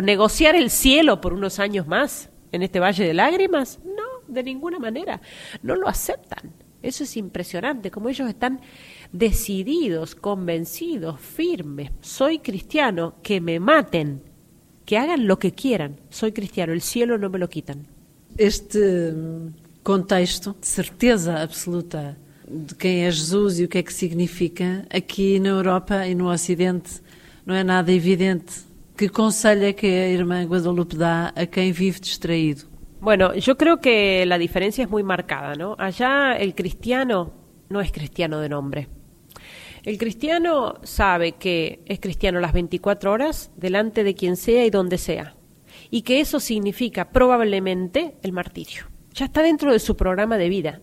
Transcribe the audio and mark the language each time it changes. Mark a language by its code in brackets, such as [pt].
[es] ¿Negociar el cielo por unos años más en este valle de lágrimas? No, de ninguna manera. No lo aceptan. Eso es impresionante, como ellos están decididos, convencidos, firmes. Soy cristiano, que me maten, que hagan lo que quieran. Soy cristiano, el cielo no me lo quitan. [pt] Este contexto, certeza absoluta de quem é Jesus e o que é que significa, aqui na Europa e no Ocidente, não é nada evidente. Que conselho é que a irmã Guadalupe dá a quem vive distraído? [es] Bueno, yo creo que la diferencia es muy marcada, ¿no? Allá el cristiano no es cristiano de nombre. El cristiano sabe que es cristiano las 24 horas delante de quien sea y donde sea. Y que eso significa probablemente el martirio. Ya está dentro de su programa de vida.